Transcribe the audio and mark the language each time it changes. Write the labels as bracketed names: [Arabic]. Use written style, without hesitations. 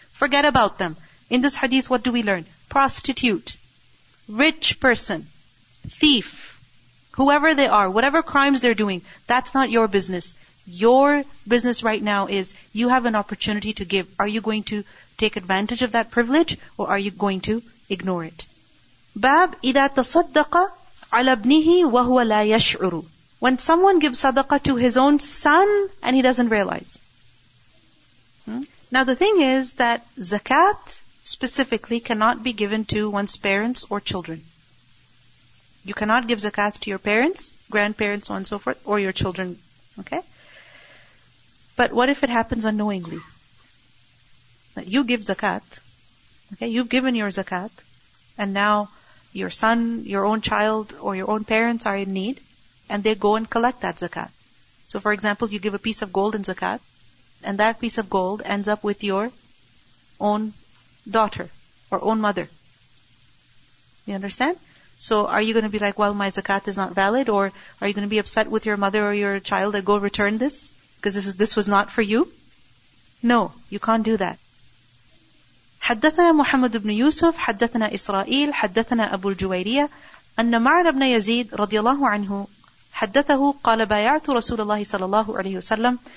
[English] Forget about them. In this hadith, what do we learn? Prostitute. Rich person. Thief, whoever they are, whatever crimes they're doing, that's not your business. Your business right now is you have an opportunity to give. Are you going to take advantage of that privilege or are you going to ignore it? [Arabic] باب اذا تصدق على ابنه وهو لا يشعر. [English] When someone gives sadaqah to his own son and he doesn't realize. Now the thing is that zakat specifically cannot be given to one's parents or children. You cannot give zakat to your parents, grandparents, so on and so forth, or your children. Okay? But what if it happens unknowingly? That you give zakat, okay? You've given your zakat, and now your son, your own child, or your own parents are in need, and they go and collect that zakat. So for example, you give a piece of gold in zakat, and that piece of gold ends up with your own daughter, or own mother. You understand? So are you going to be like, well, my zakat is not valid, or are you going to be upset with your mother or your child and go return this? Because this was not for you? No, you can't do that. [Arabic] حدثنا محمد بن يوسف حدثنا إسرائيل حدثنا أبو الجويرية أن معن بن يزيد رضي الله عنه حدثه قال بايعت رسول الله صلى الله عليه وسلم.